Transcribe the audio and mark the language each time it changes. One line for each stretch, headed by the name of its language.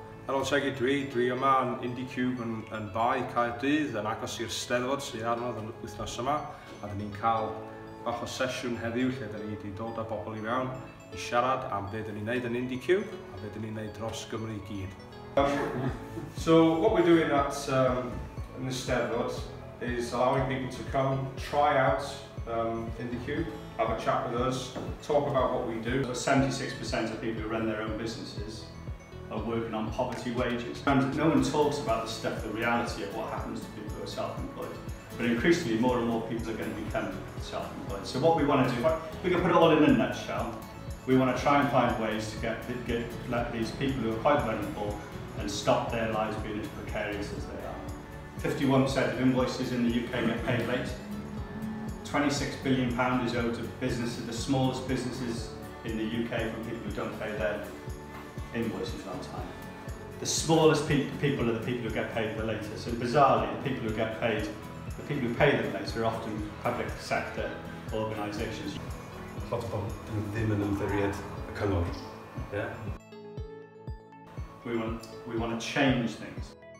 Welsh: Hello, Segi, dwi yma yn Indycube yn Bae Caerdydd yn agos i'r Eisteddfod sy'n arnodd yn wythnos yma a dyn ni'n cael bach o sesiwn heddiw lle dyn ni wedi dod â bobl i mewn i siarad am beth dyn ni'n neud yn Indycube a beth dyn ni'n neud dros Gymru I gyd.
English: So what we're doing at in the Eisteddfod is allowing people to come try out Indycube, have a chat with us, talk about what we do. 76% of people who run their own businesses are working on poverty wages. And no one talks about the stuff, the reality of what happens to people who are self-employed. But increasingly, more and more people are going to become self-employed. So what we want to do, we can put it all in a nutshell, we want to try and find ways to let these people who are quite vulnerable and stop their lives being as precarious as they are. 51% of invoices in the UK get paid late. £26 billion is owed to businesses, the smallest businesses in the UK, from people who don't pay their invoices on time. The smallest people are the people who get paid the latest. And bizarrely, the people who get paid, the people who pay them later are often public sector organisations. Lot of them
Welsh: ddim yn ymddiried y cyngor.
English: Yeah. We want to change things.